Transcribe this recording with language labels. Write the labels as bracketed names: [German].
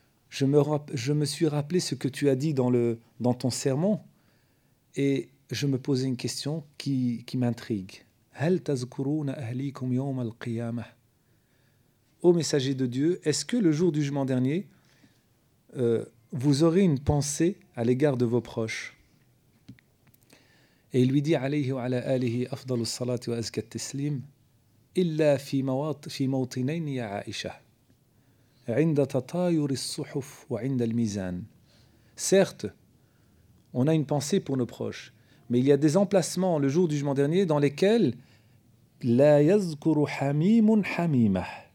[French] Je me suis rappelé ce que tu as dit dans ton sermon et je me posais une question qui m'intrigue. [Arabic] Hal tazkuruna ahlikum yawm al-qiyamah? [French] Ô messager de Dieu, est-ce que le jour du jugement dernier, vous aurez une pensée à l'égard de vos proches? Et il lui dit, [Arabic] عليه وعلى آله أفضل الصلاة وأزكى التسليم إلا في موطنين يا عائشة عند تطاير الصحف وعند الميزان. [French] Certes, on a une pensée pour nos proches, mais il y a des emplacements le jour du jugement dernier dans lesquels [Arabic] لا يذكر حميم حميمة.